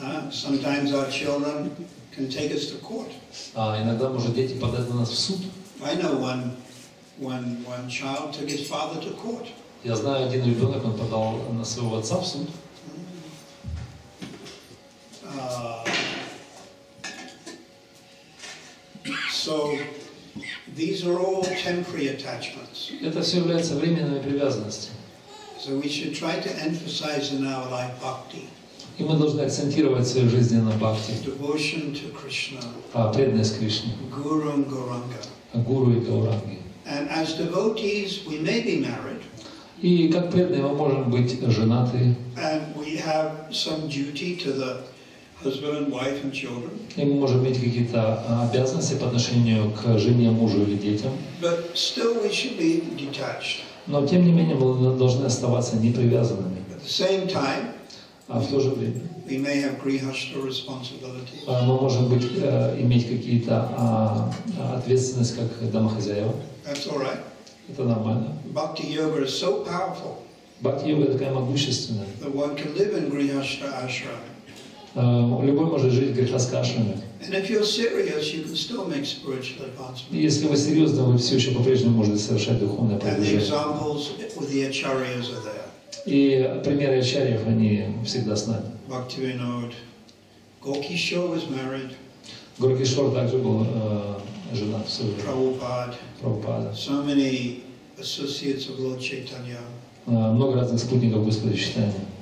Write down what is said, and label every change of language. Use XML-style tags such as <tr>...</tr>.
<en>Sometimes our children can take us to court.</en> <ru>А иногда может дети подать на нас в суд.</ru> <en>I know one child took his father to court.</en> <ru>Я знаю один ребенок, он подал на своего отца в суд.</ru> <en>So these are all temporary attachments.</en> <ru>Это все является временными привязанностями.</ru> <en>So we should try to emphasize in our life bhakti.</en> <ru>И мы должны акцентировать свою жизнь на бхакти.</ru> <en>Devotion to Krishna.</en> <ru>Преданность Кришне.</ru> <en>Guru and Gauranga.</en> <ru>Гуру и Гауранги.</ru> <en>And as devotees, we may be married.</en> <ru>И как преданные мы можем быть женаты.</ru> <en>And we have some duty to the husband and wife and children.</en> <ru>И мы можем иметь какие-то обязанности по отношению к жене, мужу или детям.</ru> <en>But still we should be detached.</en> <ru>Но тем не менее мы должны оставаться непривязанными.</ru> <en>At the same time.</en> <ru>А в то же время мы можем иметь какие-то ответственность как домохозяева.</ru> <en>That's all right.</en> <ru>Это нормально.</ru> <en>Bhakti yoga is so powerful.</en> <ru>Bhakti yoga такая могущественная.</ru> <en>That one can live in grihastha ashram.</en> <ru>Любой может жить в грихастха ашраме.</ru> <en>And if you're serious, you can still make spiritual advancement.</en> <ru>И если вы серьезны, вы все еще по-прежнему можете совершать духовное продвижение.</ru> <en>And the examples with the acharyas are there.</en> <ru>И примеры ачарьев, они всегда с нами.</ru> <en>Бхактивинод. Горкишор was married.</en> <ru>Горкишор также был женат.</ru> <en>Прабхупад. So many associates of Lord Chaitanya.</en> <ru>Много разных спутников Господа Чайтаньи.</ru>